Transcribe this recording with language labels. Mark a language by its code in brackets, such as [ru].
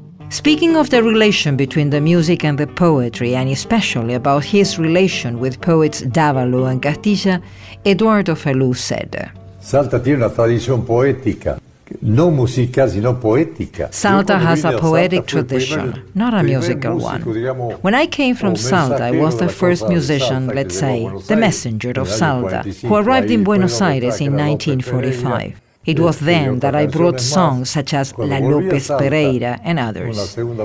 [en] Speaking of the relation between the music and the poetry, and especially about his relation with poets Dávalo and Castilla, Eduardo Falú said, [es] Salta tiene una tradición poética, no musical, sino poética. [en] Salta has a poetic tradition, not a musical one. When I came from Salta, I was the first musician, let's say, the messenger of Salta, who arrived in Buenos Aires in 1945. It was then that I brought songs such as La López Pereira and others.